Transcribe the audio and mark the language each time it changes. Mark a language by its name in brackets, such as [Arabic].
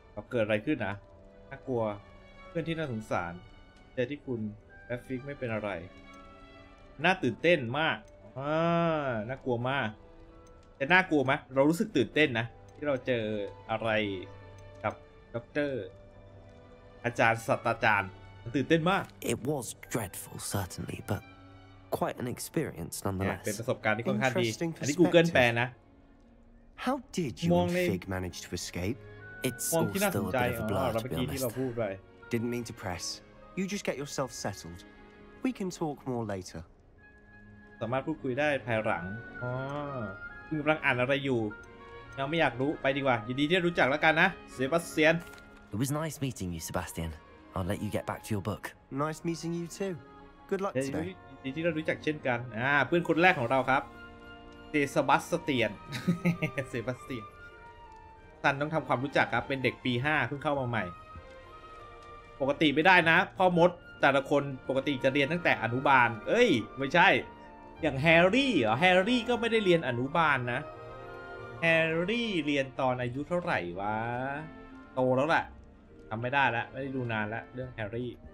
[Thai] เกิดอะไรขึ้นนะน่ากลัวเพื่อนที่น่าสงสารแต่ที่คุณแฟิกไม่เป็นอะไรน่าตื่นเต้นมากน่ากลัวมากแต่น่ากลัวไหมเรารู้สึกตื่นเต้นนะที่เราเจออะไรกับด็อกเตอร์อาจารย์ศาสตราจารย์ตื่นเต้นมาก [English] It was dreadful certainly but quite an experience nonetheless [Thai] เป็นประสบการณ์ที่ค่อนข้างดีอันนี้ Google แปลนะ [English] How did you and Fig manage to escape It's all still a bit of a blur to be honest Didn't mean to press You just get yourself settled We can talk more later [Thai] สามารถพูดคุยได้ภายหลังอ๋อคุณกำลังอ่านอะไรอยู่ยังไม่อยากรู้ไปดีกว่ายินดีที่รู้จักแล้วกันนะเซบาสเตียน [English] It was nice meeting you Sebastian I'll let you get back to your book Nice meeting you too Good luck today [Thai] ยินดีที่เรารู้จักเช่นกันเพื่อนคนแรกของเราครับเซบาสเตียนเซบาสเตียนท่านต้องทำความรู้จักครับเป็นเด็กปี5เพิ่งเข้ามาใหม่ปกติไม่ได้นะพ่อมดแต่ละคนปกติจะเรียนตั้งแต่อนุบาลเอ้ยไม่ใช่อย่างแฮร์รี่แฮร์รี่ก็ไม่ได้เรียนอนุบาลนะแฮร์รี่เรียนตอนอายุเท่าไหร่วะโตแล้วแหละทำไม่ได้แล้วไม่ได้ดูนานแล้วเรื่องแฮร์รี่